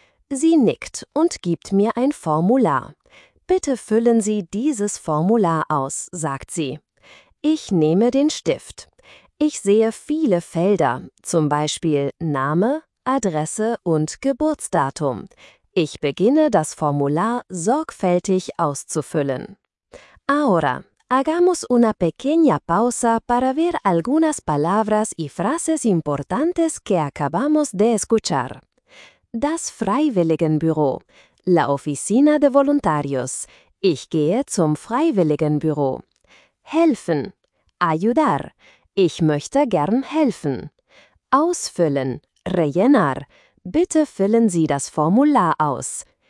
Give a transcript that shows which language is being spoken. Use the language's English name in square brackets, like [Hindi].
[German] Sie nickt und gibt mir ein Formular. Bitte füllen Sie dieses Formular aus, sagt sie. Ich nehme den Stift. Ich sehe viele Felder, zum Beispiel Name, Adresse und Geburtsdatum. Ich beginne das Formular sorgfältig auszufüllen. [Spanish] Ahora, hagamos una pequeña pausa para ver algunas palabras y frases importantes que acabamos de escuchar. [German] Das Freiwilligenbüro, la oficina de voluntarios, ich gehe zum Freiwilligenbüro. Helfen, ayudar, ich möchte gern helfen. Ausfüllen, rellenar, bitte füllen Sie das Formular aus.